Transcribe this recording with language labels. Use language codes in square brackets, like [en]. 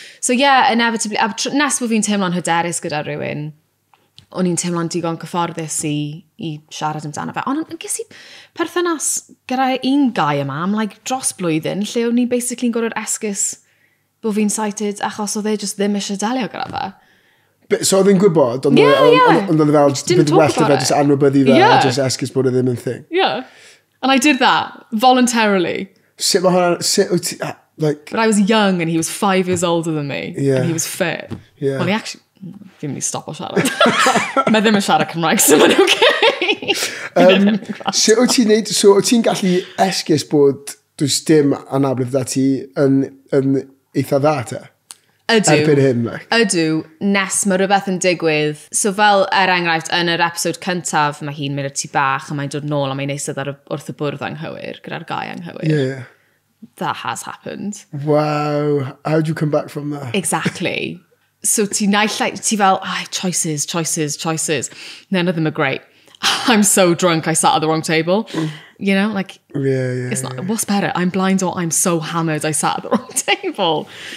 [cy] So yeah, inevitably, nes bod fi'n teimlo'n hyderus gyda rhywun, o'n i'n teimlo'n digon cyfforddus i siarad amdano fe. Ond yn ges i perthynas gyda un gai yma, am like dros blwyddyn, lle o'n i'n basically yn gorfod esgus bod fi'n sighted, achos oedd e just ddim eisiau delio gyda fe. So oedd yn gwybod, ond oedd yn fel, bydd well o fe, just anwybyddu fe, a just esgus bod y ddim yn thing. [en] Yeah, and I did that, voluntarily. [cy] Sut mae hwnna, sut like... [en] But I was young and he was 5 years older than me, and he was fit. Yeah. [cy] Well, he actually, fi'n mynd i stop o siarad. Mae ddim yn siarad Cymraeg, so mae'n okay. Sut wyt ti'n neud, so wyt ti'n gallu esgus bod dwi'n dim anabledd da ti yn eitha dda te? Ydw, nes mae rhywbeth yn digwydd. So fel er enghraifft, yn yr episode cyntaf, mae hi'n mynd i'r tŷ bach a mae'n dod nôl a mae'n neisod ar wrth y bwrdd anghywir, gyda'r gai anghywir. [en] Yeah. That has happened. Wow, how do you come back from that? Exactly. So [cy] ti naill, ti fel, [en] choices, choices, choices. None of them are great. I'm so drunk, I sat at the wrong table. You know, like, it's not, what's better? I'm blind or I'm so hammered, I sat at the wrong table.